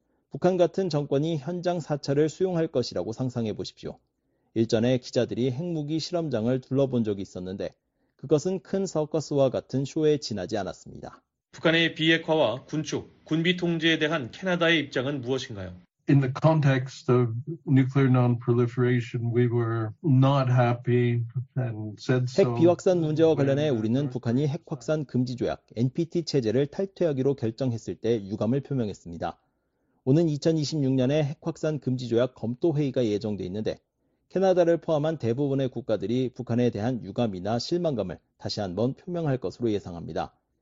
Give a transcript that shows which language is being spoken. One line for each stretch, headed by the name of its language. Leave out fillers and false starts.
Korean: 북한 같은 정권이 현장 사찰을 수용할 것이라고 상상해 보십시오. 일전에 기자들이 핵무기 실험장을 둘러본 적이 있었는데 그것은 큰 서커스와 같은 쇼에 지나지 않았습니다. 북한의 비핵화와 군축, 군비 통제에 대한 캐나다의 입장은 무엇인가요?
English: In the context of nuclear non-proliferation, we were not happy and said so.
Korean: 핵 비확산 문제와 관련해 우리는 북한이 핵 확산 금지 조약 NPT 체제를 탈퇴하기로 결정했을 때 유감을 표명했습니다. 오는 2026년에 핵 확산 금지 조약 검토 회의가 예정돼 있는데 캐나다를 포함한 대부분의 국가들이 북한에 대한 유감이나 실망감을 다시 한번 표명할 것으로 예상합니다.